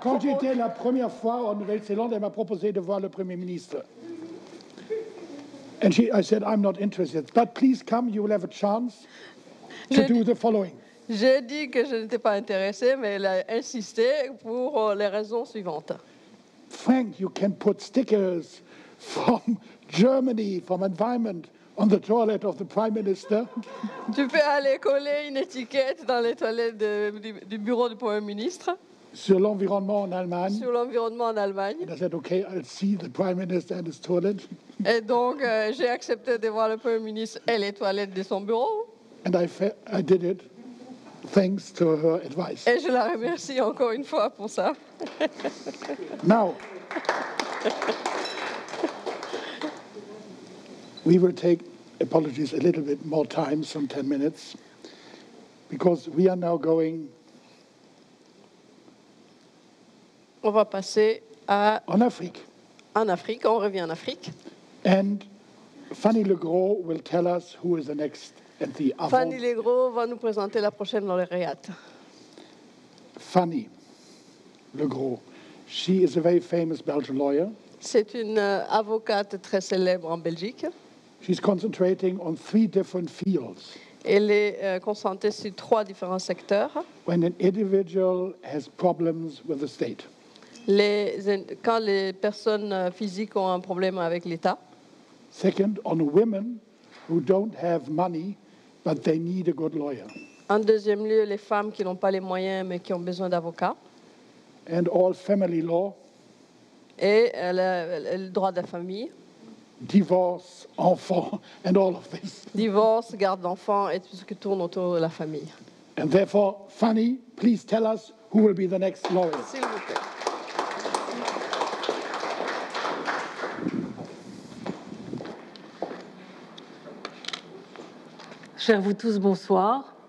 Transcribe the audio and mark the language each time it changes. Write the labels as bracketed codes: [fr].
[fr] quand j'étais la première fois en Nouvelle-Zélande, elle m'a proposé de voir le Premier ministre. [en] And I said, I'm not interested. But please come, you will have a chance to do the following. [fr] J'ai dit que je n'étais pas intéressé, mais elle a insisté pour les raisons suivantes. [en] Frank, you can put stickers from Germany, from environment, on the toilet of the Prime Minister. [fr] Tu peux aller coller une étiquette dans les toilettes du bureau du Premier ministre. Sur l'environnement en Allemagne. Sur l'environnement en Allemagne. [en] And I said, okay, I'll see the Prime Minister and his toilet. [fr] Et donc, j'ai accepté de voir le Premier ministre et les toilettes de son bureau. [en] And I did it thanks to her advice. [fr] Et je la remercie encore une fois pour ça. [en] Now, we will take, apologies, a little bit more time, some 10 minutes, because we are now going. [fr] On va passer à. En Afrique. En Afrique, on revient en Afrique. [en] And Fanny Legros will tell us who is the next at the Avon. [fr] Fanny Legros va nous présenter la prochaine lauréate. [en] Fanny Legros, she is a very famous Belgian lawyer. [fr] C'est une avocate très célèbre en Belgique. [en] She's concentrating on three different fields. [fr] Elle est concentrée sur trois différents secteurs. [en] When an individual has problems with the state. [fr] Quand les personnes physiques ont un problème avec l'État. [en] Second, on women who don't have money, but they need a good lawyer. [fr] En deuxième lieu, les femmes qui n'ont pas les moyens, mais qui ont besoin d'avocats. [en] And all family law. [fr] Et le droit de la famille. Divorce, enfants, [en] and all of this. [fr] Divorce, garde d'enfants, et tout ce qui tourne autour de la famille. [en] And therefore, Fanny, please tell us who will be the next lawyer. [fr] S'il vous plaît. Chers vous tous, bonsoir.